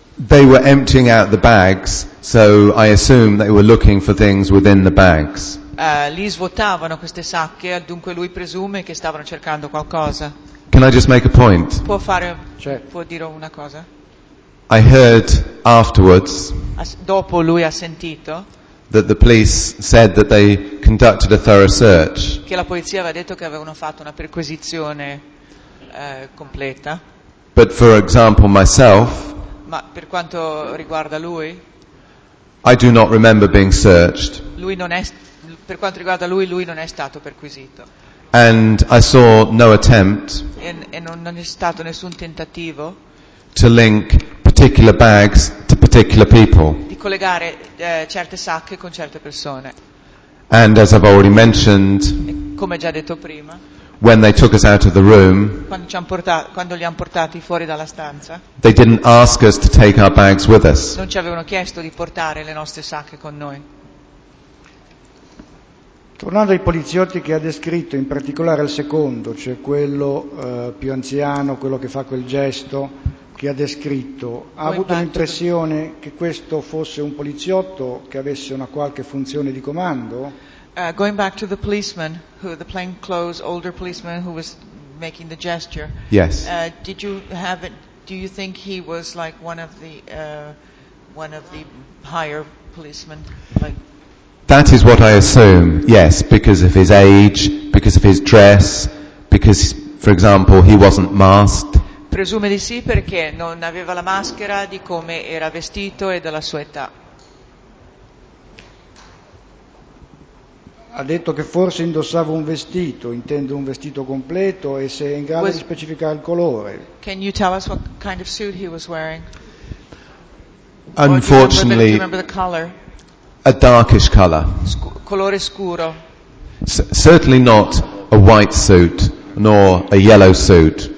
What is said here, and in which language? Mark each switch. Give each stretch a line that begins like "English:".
English: They were emptying out the bags, so I assume they were looking for things within the bags.
Italian: Li svuotavano queste sacche, dunque lui presume che stavano cercando qualcosa.
English: Can I just make a point?
Italian: Può fare, sure. Può dire una cosa?
English: I heard afterwards.
Italian: Dopo lui ha sentito.
English: That the police said that they conducted a thorough search.
Italian: Che la polizia aveva detto che avevano fatto una perquisizione completa.
English: But for example, myself.
Italian: Ma per quanto riguarda lui.
English: I do not remember being searched.
Italian: Lui non è, per quanto riguarda lui, lui non è stato perquisito.
English: And I saw no attempt.
Italian: E non è stato nessun tentativo.
English: To link particular bags to particular people.
Italian: Di collegare certe sacche con certe persone.
English: And as I've already mentioned.
Italian: Come già detto prima.
English: When they took us out of the room.
Italian: Quando ci han portato, quando li han portati fuori dalla stanza.
English: They didn't ask us to take our bags with us.
Italian: Non ci avevano chiesto di portare le nostre sacche con noi. Tornando ai poliziotti che ha descritto, in particolare il secondo, cioè quello più anziano, quello che fa quel gesto che ha descritto, ha avuto l'impressione che questo fosse un poliziotto che avesse una qualche funzione di comando?
English: Going back to the policeman, the plain clothes older policeman who was making the gesture. Yes. Do you think he was like one of the higher policemen, like? That is what I assume, yes, because of his age, because of his dress, because, for example, he wasn't masked.
Italian: Presume di sì perché non aveva la maschera, di come era vestito e della sua età. Ha detto che forse indossava un vestito, intende un vestito completo, e se è in grado di specificare il colore.
English: Can you tell us what kind of suit he was wearing? Unfortunately. A darkish color.
Italian: Colore scuro.
English: Certainly not a white suit nor a yellow suit.